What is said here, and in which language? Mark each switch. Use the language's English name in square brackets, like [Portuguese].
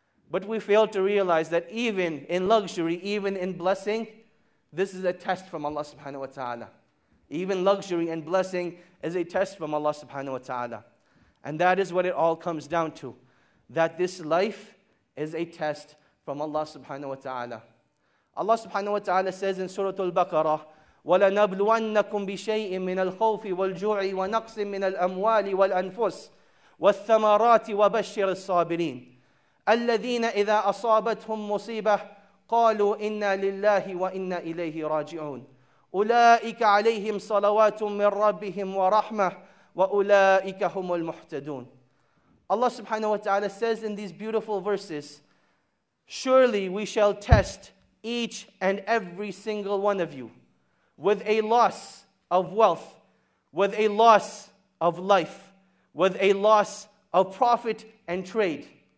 [English] But we fail to realize that even in luxury, even in blessing, this is a test from Allah subhanahu wa ta'ala. Even luxury and blessing is a test from Allah subhanahu wa ta'ala. And that is what it all comes down to, that this life is a test from Allah subhanahu wa ta'ala. Allah subhanahu wa ta'ala says in Surah Al-Baqarah, [Arabic] وَلَنَبْلُوَنَّكُمْ بِشَيْءٍ مِّنَ الْخَوْفِ وَالْجُوعِ وَنَقْصٍ مِّنَ الْأَمْوَالِ وَالْأَنفُسِ وَالثَّمَرَاتِ وَبَشِّرِ الصَّابِرِينَ الَّذِينَ إِذَا أَصَابَتْهُمْ مُصِيبَةٌ قَالُوا إِنَّا لِلَّهِ وَإِنَّا إِلَيْهِ رَاجِعُونَ أُولَئِكَ عَلَيْهِمْ صَلَوَاتٌ مِّن رَّبِّهِمْ وَرَحْمَةٌ وَأُولَئِكَ هُمُ الْمُهْتَدُونَ. [English] Allah subhanahu wa ta'ala says in these beautiful verses, surely we shall test each and every single one of you with a loss of wealth, with a loss of life, with a loss of profit and trade.